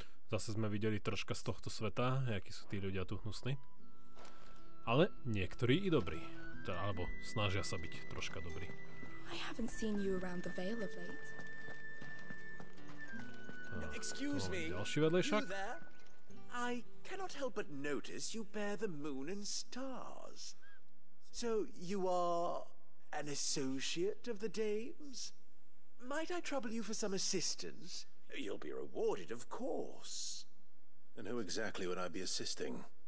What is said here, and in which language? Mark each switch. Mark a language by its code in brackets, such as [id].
[sk] Zase sme videli troška z tohto sveta, jakí sú tí ľudia tu hnusní. Ale niektorí i dobrí. Teda, alebo snažia sa byť troška dobrí. [en] I haven't seen you around the Vale of late. Excuse me, [sk] ďalší vedlejšak? [en] I cannot help but notice you bear the moon and stars. So you are an associate of the dames? Might I trouble you for some assistance? You'll be rewarded, of course. And who exactly would I be assisting?